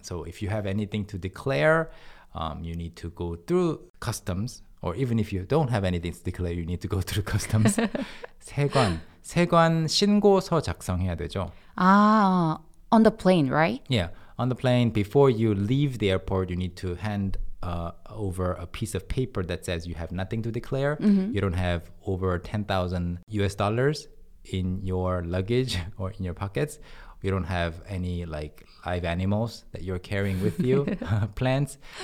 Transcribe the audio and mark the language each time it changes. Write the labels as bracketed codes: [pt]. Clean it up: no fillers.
[en] So if you have anything to declare, you need to go through customs. Or even if you don't have anything to declare, you need to go through customs. [ko] 세관. 세관 신고서 작성해야 되죠. [en] 아, on the plane, right? Yeah. On the plane, before you leave the airport, you need to hand over a piece of paper that says you have nothing to declare. You don't have over $10,000 in your luggage or in your pockets. You don't have any like live animals that you're carrying with you, plants.